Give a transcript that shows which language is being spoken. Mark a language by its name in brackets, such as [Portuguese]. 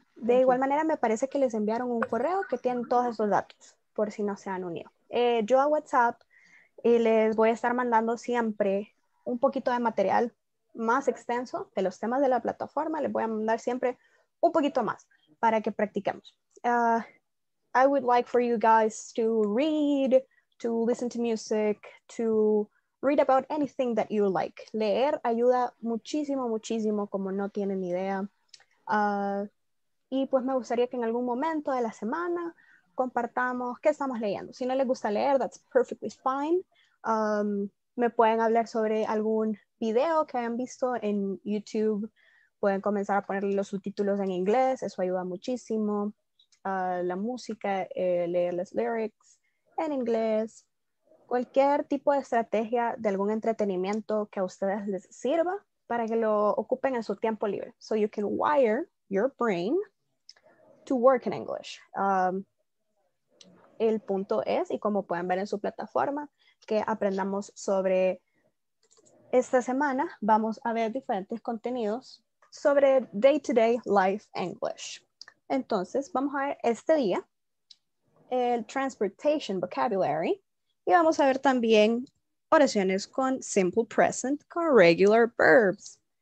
[Spanish] De igual manera, me parece que les enviaron un correo que tienen todos esos datos, por si no se han unido. Yo a WhatsApp y les voy a estar mandando siempre un poquito de material más extenso de los temas de la plataforma. Les voy a mandar siempre un poquito más para que practiquemos. [English] I would like for you guys to read, to listen to music, to read about anything that you like. [Spanish] Leer ayuda muchísimo, muchísimo, como no tienen idea. Y pues me gustaría que en algún momento de la semana compartamos qué estamos leyendo. Si no les gusta leer, [English] that's perfectly fine. [Spanish] Me pueden hablar sobre algún video que hayan visto en YouTube. Pueden comenzar a ponerle los subtítulos en inglés. Eso ayuda muchísimo. La música, leer las lyrics en inglés. Cualquier tipo de estrategia de algún entretenimiento que a ustedes les sirva para que lo ocupen en su tiempo libre. [English] So you can wire your brain to work in English. [Spanish] El punto es, y como pueden ver en su plataforma, que aprendamos sobre esta semana. Vamos a ver diferentes contenidos sobre day-to-day life English. Entonces, vamos a ver este día el transportation vocabulary y vamos a ver también oraciones con simple present, con regular verbs.